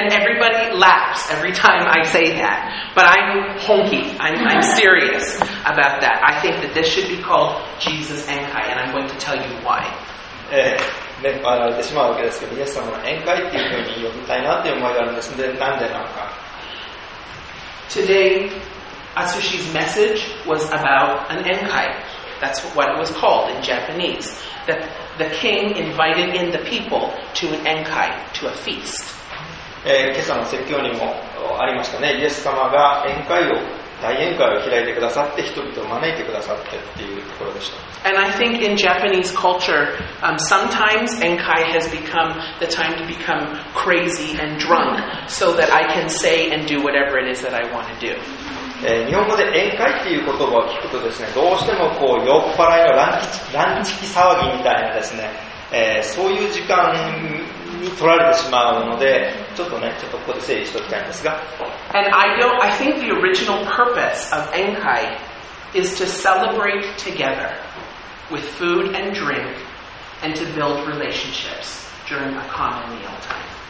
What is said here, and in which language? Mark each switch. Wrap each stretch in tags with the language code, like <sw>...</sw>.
<en>And everybody laughs every time I say that, but I'm honky. I'm serious about that. I think that this should be called Jesus 宴会, and I'm going to tell you why.</en> <ja>ね、笑われてしまうわけですけど、イエス様の宴会っていうふうに呼びたいなっていう思いがあるんですので、なんでなのか。</ja> <en>Today, Atsushi's message was about an enkai. That's what it was called in Japanese. The king invited in the people to an enkai, to a feast.</en> <ja>今朝の説教にもありましたね。イエス様が宴会を、大宴会を開いてくださって、人々を招いてくださってっていうところでした。</ja> <en>And I think in Japanese culture, sometimes enkai has become the time to become crazy and drunk so that I can say and do whatever it is that I want to do.</en> <ja>日本語で宴会っていう言葉を聞くとですね、どうしてもこう酔っ払いの乱気騒ぎみたいなですね、そういう時間に取られてしまうので、ちょっとね、ちょっとここで整理しておきたいんですが。</ja> <en>And I think the original purpose of 宴会 is to celebrate together with food and drink and to build relationships during a common meal time.</en>